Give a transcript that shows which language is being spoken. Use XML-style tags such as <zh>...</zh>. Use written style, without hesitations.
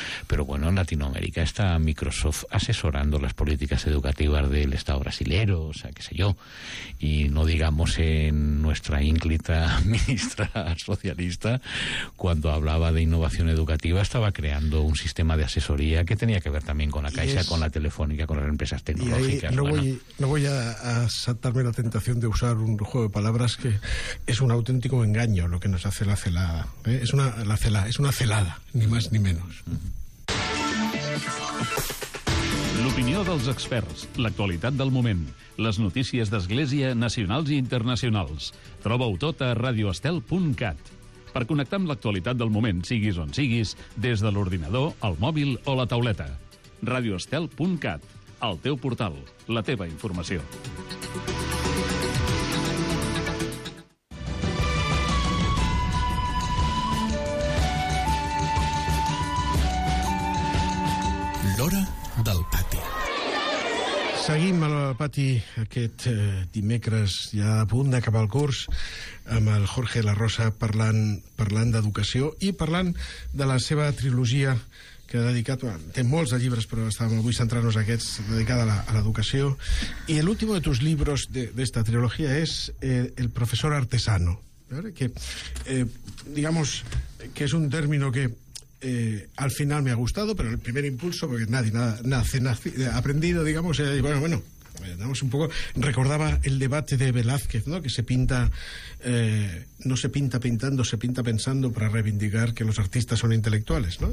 <es>Pero bueno, en Latinoamérica está Microsoft asesorando las políticas educativas del Estado brasilero, o sea, qué sé yo, y no digamos en nuestra ínclita ministra socialista, cuando hablaba de innovación educativa, estaba creando un sistema de asesoría que tenía que ver también con la Caixa, con la Telefónica, con las empresas tecnológicas. Y ahí no voy a saltarme la tentación de usar un juego de palabras, que es un auténtico engaño lo que nos hace la celada. Es una celada, ni más ni menos.</es> <ca>L'opinió dels experts, l'actualitat del moment, les notícies d'Església nacionals i internacionals. Troba-ho tot a radioestel.cat. Per connectar amb l'actualitat del moment, siguis on siguis, des de l'ordinador, el mòbil o la tauleta. radioestel.cat, el teu portal, la teva informació. L'hora del pati. Seguim a l'hora del pati aquest dimecres, ja a punt d'acabar el curs, amb el Jorge La Rosa parlant d'educació i parlant de la seva trilogia que ha dedicat... Té molts de llibres, però estàvem avui centrant-nos en aquests, dedicada a l'educació. I l'últim de tus llibres d'esta trilogia és El professor artesano, ¿vale?</ca> <es>Que, digamos, que és un término que... al final me ha gustado, pero el primer impulso, porque nadie aprendido, digamos, digamos un poco, recordaba el debate de Velázquez, ¿no? Que se pinta, no se pinta pintando, se pinta pensando, para reivindicar que los artistas son intelectuales, ¿no?</es>